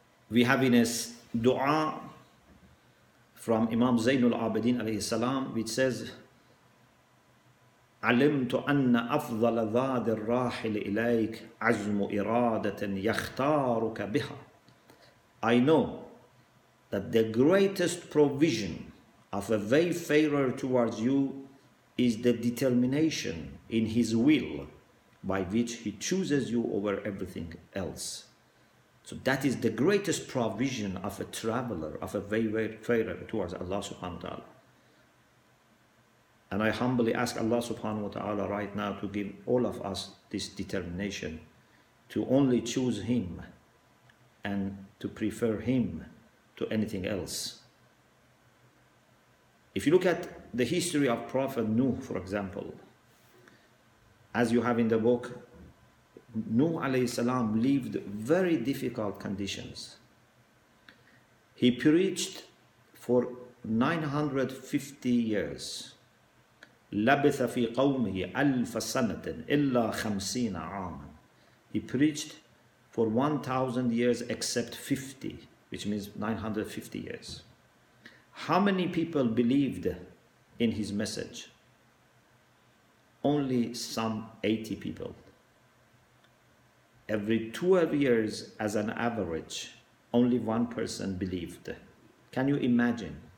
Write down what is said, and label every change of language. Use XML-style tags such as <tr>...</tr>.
<en>We have in a dua from Imam Zainul Abidin alayhi salam, which says,</en> <ar>علمت أن أفضل ذات الراحل إليك عزم إرادة يختارك بها.</ar> <en>I know that the greatest provision of a wayfarer towards you is the determination in his will by which he chooses you over everything else. So that is the greatest provision of a traveler, of a wayfarer towards Allah subhanahu wa ta'ala. And I humbly ask Allah subhanahu wa ta'ala right now to give all of us this determination to only choose Him and to prefer Him to anything else. If you look at the history of Prophet Nuh, for example, as you have in the book, Nuh alayhi salam lived very difficult conditions. He preached for 950 years.</en> <ar>لبث في قومه ألف سنة إلا خمسين عاما.</ar> <en>He preached for 1,000 years except 50, which means 950 years. How many people believed in his message? Only some 80 people. Every 12 years as an average, only one person believed. Can you imagine?</en>